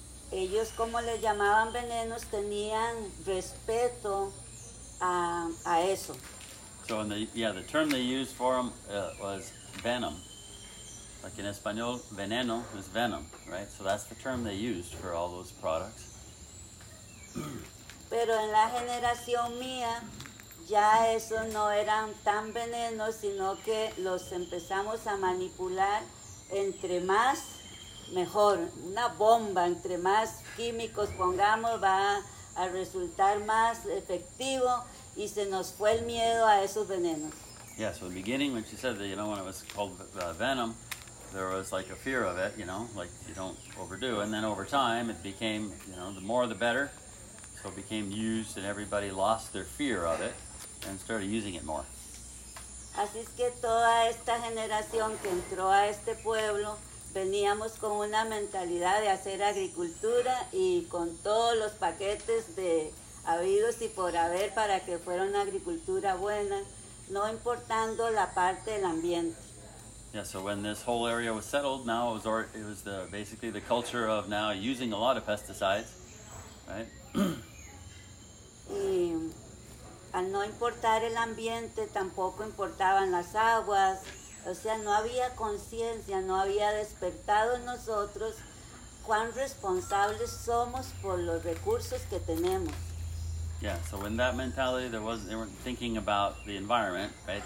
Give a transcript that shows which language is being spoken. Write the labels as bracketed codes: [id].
[es] Ellos, como les llamaban venenos, tenían respeto a eso. [en] So, in the term they used for them was venom. Like in Espanol, veneno is venom, right? So that's the term they used for all those products. [es] Pero en la generación mía, ya esos no eran tan venenos, sino que los empezamos a manipular entre más, mejor. Una bomba, entre más químicos pongamos, va a resultar más efectivo, y se nos fue el miedo a esos venenos. [en] Yeah, so in the beginning when she said that, you know, when it was called venom, there was like a fear of it, you know, like you don't overdo. And then over time it became, you know, the more the better. So it became used and everybody lost their fear of it and started using it more. [es] Así es que toda esta generación que entró a este pueblo, veníamos con una mentalidad de hacer agricultura y con todos los paquetes de habidos y por haber para que fuera una agricultura buena, no importando la parte del ambiente. [en] Yeah, so when this whole area was settled, now it was the basically the culture of now using a lot of pesticides, right? [es] Y al no importar el ambiente, tampoco importaban las aguas. O sea, no había conciencia, no había despertado en nosotros cuán responsables somos por los recursos que tenemos. [en] Yeah, so in that mentality, they weren't thinking about the environment, right?